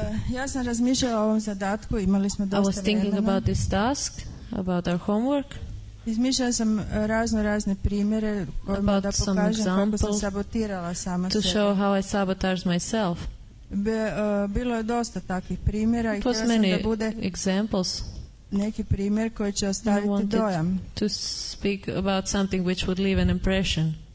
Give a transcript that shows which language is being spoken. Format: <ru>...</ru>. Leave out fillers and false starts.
<hr>Ja sam razmišljala o ovom zadatku, imali smo dosta vremena.</hr> <en>I was thinking about this task, about our homework.</en> <hr>Izmišljala sam razne primjere kojima da pokažem kako sam sabotirala sama sebe.</hr> <en>To show how I sabotage myself.</en> <hr>Bilo je dosta takvih primjera i htjela sam da bude</hr> <en>examples.</en> <hr>Neki primjer koji će ostaviti dojam.</hr> <en>To speak about something which would leave an impression.</en>